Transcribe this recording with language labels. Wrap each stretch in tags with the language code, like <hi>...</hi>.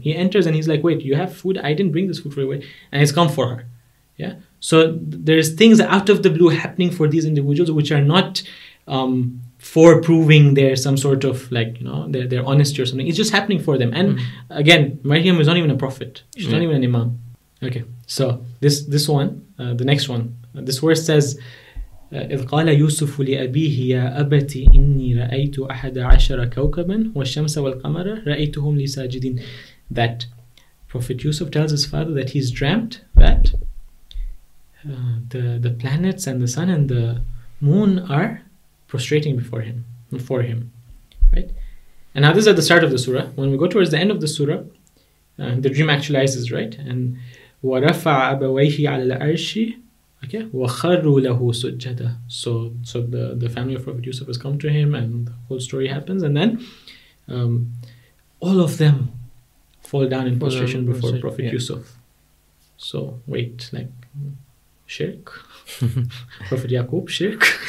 <en>He enters and he's like, wait, you have food? I didn't bring this food for you. And it's come for her. Yeah. So there's things out of the blue happening for these individuals, which are not for proving their some sort of like, you know, their honesty or something. It's just happening for them. And again, Maryam is not even a prophet. She's not even an imam. Okay. So this one, the next one.</en> <ar>This verse says, إِذْ قَالَ يُوسُفُ لِأَبِيهِ يَا أَبَتِ إِنِّي رَأَيْتُ أَحَدَ عَشَرَ كَوْكَبًا وَالشَّمْسَ وَالْقَمَرَ رَأَيْتُهُمْ لِسَاجِدِينَ.</ar> <en>That Prophet Yusuf tells his father that he's dreamt that the planets and the sun and the moon are prostrating before him. Right? And now this is at the start of the surah. When we go towards the end of the surah, the dream actualizes, right?</en> <ar>And وَرَفَعَ أَبَوَيْهِ عَلَى الْأَرْشِ. Okay, وَخَرُّوا لَهُ سُجَّدًا.</ar> <en>So the family of Prophet Yusuf has come to him, and the whole story happens, and then all of them fall down in prostration before Prophet Yusuf. So wait, like shirk, Prophet Yaqub shirk.</en>